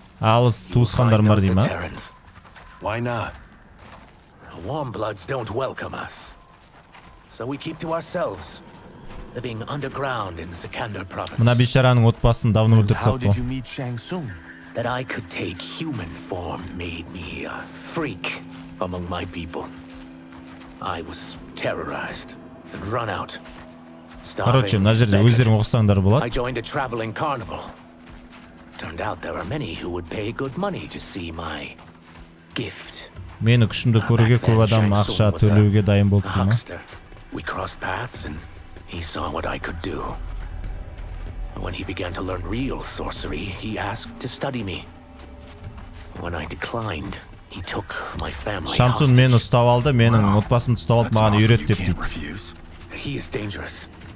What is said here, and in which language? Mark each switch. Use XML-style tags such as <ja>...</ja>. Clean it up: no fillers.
<kk>Алыс туысқандар бар дей ма?</kk> <en>Why not? Warm bloods don't welcome us. So we keep to ourselves. Living underground in Sikandar province.</en> <kk>Мына бешараның отбасын давно өлтіріп тастапты.</kk> <en>How did you meet Shang Tsung? That I could take human form made me a freak among my people. I was terrorized and run out.</en> <kk>Короче, мына жерде өздерің оқысаңдар болады.</kk> <en>I joined a traveling carnival. Turned out there are many who would pay good money to see my gift.</en> <kk>Мені күшімді көруге көп адам ақша төлеуге дайын болды ма?</kk> <en>We crossed paths and he saw what I could do. When he began to learn real sorcery, he asked to study me. When I declined, he took my family hostage.</en> <kk>Шамсун мені ұстап алды, менің отбасымды ұстап алды, маған үйретті деп дейді.</kk> <en>He is dangerous.</en>